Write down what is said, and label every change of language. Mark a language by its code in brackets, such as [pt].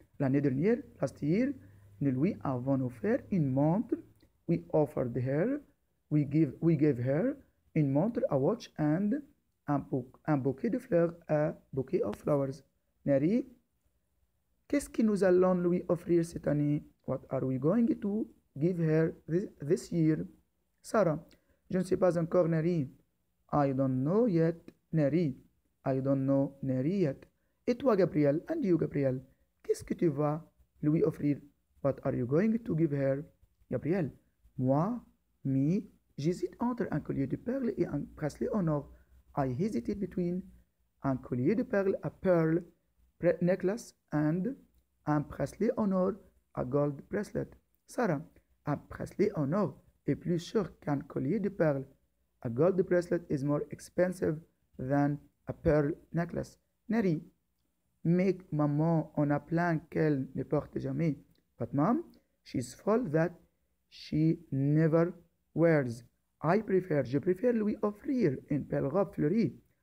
[fr] L'année dernière, last year, nous lui avons offert une montre. [en] We offered her, we gave her une montre, a watch and un bouquet de fleurs, a bouquet of flowers. [fr] Neri, qu'est-ce que nous allons lui offrir cette année? [en] What are we going to give her this year? [fr] Sarah, je ne sais pas encore, Neri. [en] I don't know yet, [fr] Neri. [en] I don't know, Neri, yet. [fr] Et toi, Gabriel, [en] and you, [fr] Gabriel, qu'est-ce que tu vas lui offrir? [en] What are you going to give her? [fr] Gabriel, moi, me, j'hésite entre un collier de perles et un bracelet en or. [en] I hesitate between [fr] un collier de perles, [en] a pearl necklace, and [fr] un bracelet en or, [en] a gold bracelet. [fr] Sarah, un bracelet en or est plus cher qu'un collier de perles. [en] A gold bracelet is more expensive than a pearl necklace. [fr] Neri, mais maman en a plein qu'elle ne porte jamais. [en] But mom, she's full that she never wears. [fr] Je préfère lui offrir une belle robe fleurie.